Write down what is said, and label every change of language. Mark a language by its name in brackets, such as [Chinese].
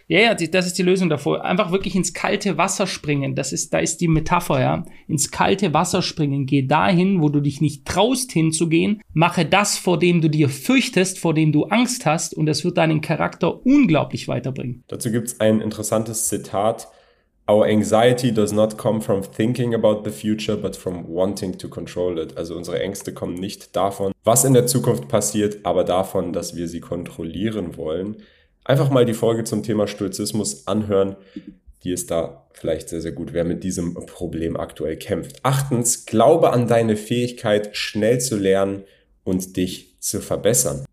[German] Ja, ja, das ist die Lösung davor. Einfach wirklich ins kalte Wasser springen. Da ist die Metapher, ja. Ins kalte Wasser springen. Geh dahin, wo du dich nicht traust hinzugehen. Mache das, vor dem du dir fürchtest, vor dem du Angst hast, und das wird deinen Charakter unglaublich weiterbringen. Dazu gibt's ein interessantes Zitat. [English] Our anxiety does not come from thinking about the future, but from wanting to control it. [German] Also unsere Ängste kommen nicht davon, was in der Zukunft passiert, aber davon, dass wir sie kontrollieren wollen. Einfach mal die Folge zum Thema Stoizismus anhören. Die ist da vielleicht sehr, sehr gut, wer mit diesem Problem aktuell kämpft. Achtens, glaube an deine Fähigkeit, schnell zu lernen und dich zu verbessern.